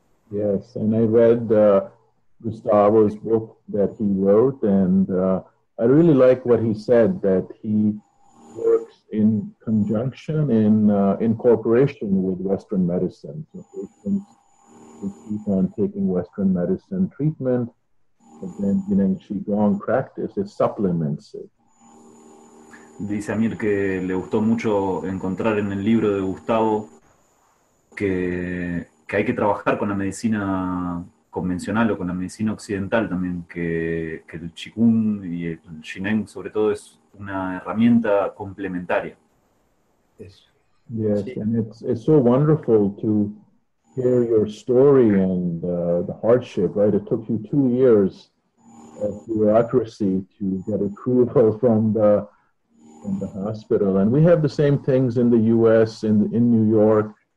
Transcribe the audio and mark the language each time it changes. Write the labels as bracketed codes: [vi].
[en] Yes, and I read Gustavo's book that he wrote, and I really like what he said, that he works in conjunction, in cooperation with Western medicine. So patients who keep on taking Western medicine treatment, and then Yineng Qigong practice, it supplements it. [es] Dice Amir que le gustó mucho encontrar en el libro de Gustavo que hay que trabajar con la medicina convencional o con la medicina occidental también, que el Qigong y el Yineng sobre todo es una herramienta complementaria. [en] Yes, and it's so wonderful to hear your story and the hardship, right? It took you 2 years of bureaucracy to get approval from the hospital. And we have the same things in the US, in New York.